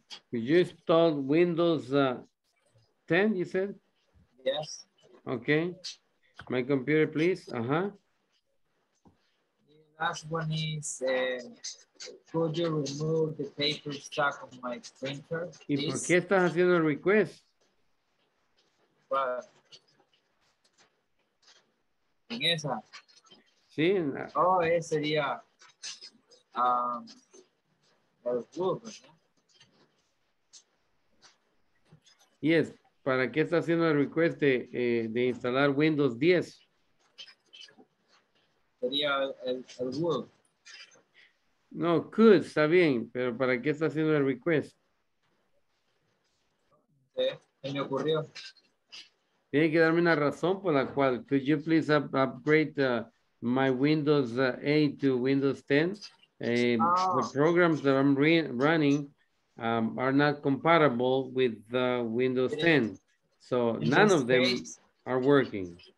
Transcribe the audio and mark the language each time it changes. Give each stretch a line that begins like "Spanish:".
English: Could you install Windows 10, you said? Yes. Okay. My computer, please. Uh-huh. The last one is, could you remove the paper stock on my printer, please?
Spanish: ¿Y por qué estás haciendo el request? En esa. Sí. Oh, ese sería el book, ¿no?
English: Yes,
Spanish: ¿Para qué está haciendo el request de instalar Windows 10? Sería el would. No, could, está bien, pero ¿para qué está haciendo el request? Se me ocurrió. Tiene que darme una razón por la cual.
English: Could you please upgrade my Windows 8 to Windows 10? The programs that I'm running are not compatible with the Windows 10. So none of them are working.